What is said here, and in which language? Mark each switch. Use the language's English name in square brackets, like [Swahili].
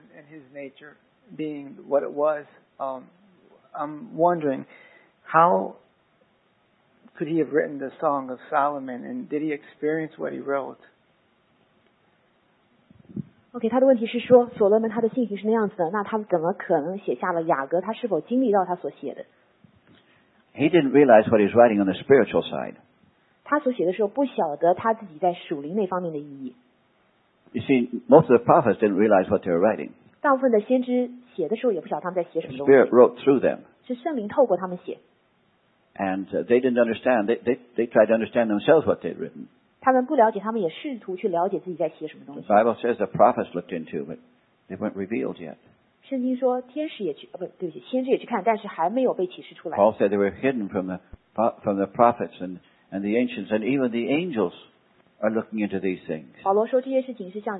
[English] and his nature being what it was, I'm wondering. How could he have written the Song of Solomon, and did he experience what he wrote? [Chinese] Okay, 他的问题是说，所罗门他的信心是那样子的，那他怎么可能写下了雅各？他是否经历到他所写的？ [English] He didn't realize what he's writing on the spiritual side. [Chinese] 他所写的时候不晓得他自己在属灵那方面的意义。 [English] You see, most of the prophets didn't realize what they were writing. [Chinese] 大部分的先知写的时候也不晓得他们在写什么东西。 [English] Spirit wrote through them. [Chinese] 是圣灵透过他们写。 [English] And they didn't understand. They tried to understand themselves what they'd written. [Chinese] 他们不了解，他们也试图去了解自己在写什么东西。 [English] The Bible says the prophets looked into, but they weren't revealed yet. [Chinese] 圣经说，天使也去，不对不起，先知也去看，但是还没有被启示出来。 [English] Paul said they were hidden from the prophets and the ancients, and even the angels are looking into these things.